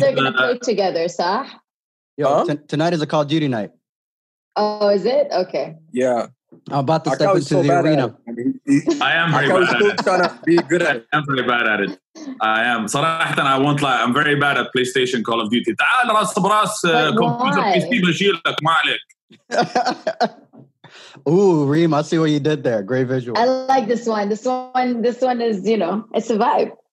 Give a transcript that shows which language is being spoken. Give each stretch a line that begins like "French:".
English: You guys are gonna play together, sir. So? Yo, huh? Tonight is a Call of Duty night. Oh, is it? Okay. Yeah. I'm about to step into the arena. I am very bad at it. I won't lie. I'm very bad at PlayStation Call of Duty.
Arabic: تعال راس براس computer PC بجيلك ما عليك.
English: Ooh, Reem, I see what you did there. Great visual. I like this one. This one is, you know, it's a vibe.